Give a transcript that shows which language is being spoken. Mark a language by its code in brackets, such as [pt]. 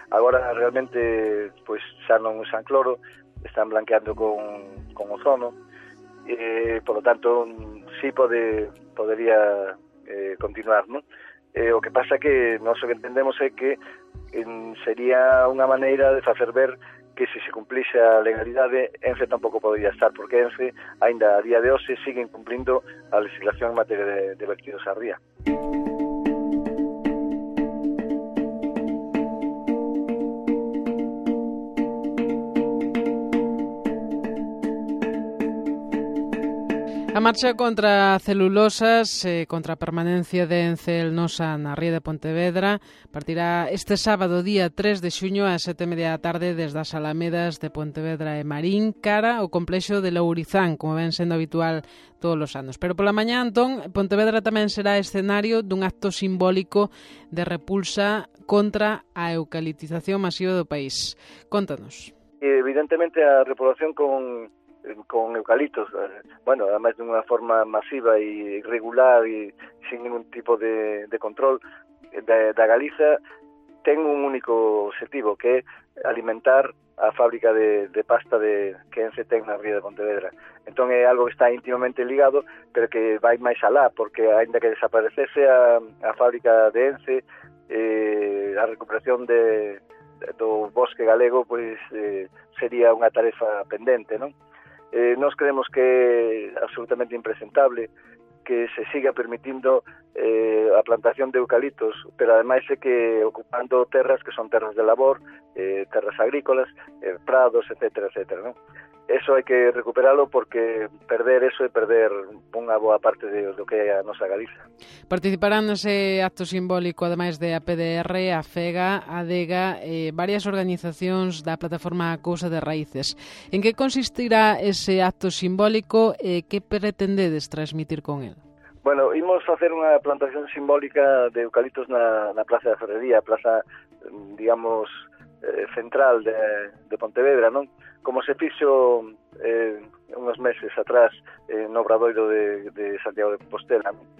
[gl] Agora realmente pues, xa non usan cloro, están blanqueando con ozono. [es] Por lo tanto, sí podería continuar, ¿no? [gl] O que pasa que nós o que entendemos é que sería unha maneira de facer ver que se cumplise a legalidade, ENCE tampouco podría estar, porque ENCE, ainda a día de hoxe, sigue incumplindo a legislación en materia de vertidos á ría. A marcha contra celulosas, contra a permanencia de ENCE el NOSA na ría de Pontevedra, partirá este sábado día 3 de xuño a 7:30 da tarde desde as Alamedas de Pontevedra e Marín, cara o complexo de Lourizán, como ven sendo habitual todos os anos. Pero pola mañá, Antón, Pontevedra tamén será escenario dun acto simbólico de repulsa contra a eucaliptización masiva do país. Contanos. Evidentemente, a repoblación con eucaliptos, bueno, [es] además de una forma masiva e [gl] irregular e [es] sin ningún tipo de control, [gl] da Galiza, ten un único objetivo, que é alimentar a fábrica de pasta que ENCE ten na ría de Pontevedra. Entón é algo que está íntimamente ligado, pero que vai máis alá, porque ainda que desaparecese a fábrica de ENCE, a recuperación do bosque galego pues, sería unha tarefa pendente, non? Nos creemos que é absolutamente impresentable que se siga permitindo a plantación de eucaliptos, pero ademais é que ocupando terras que son terras de labor, terras agrícolas, prados, etcétera, etcétera, ¿no? Eso hai que recuperalo porque perder eso é perder unha boa parte de lo que é a nosa Galiza. Participarán nese acto simbólico, ademais de APDR, AFEGA, ADEGA, varias organizacións da plataforma Cousa de Raíces. En que consistirá ese acto simbólico e que pretendedes transmitir con él? Bueno, imos facer unha plantación simbólica de eucaliptos na Plaza da Ferrería, plaza, digamos, central de Pontevedra, non? Como se fixo unos meses atrás no Obradoiro de Santiago de Compostela.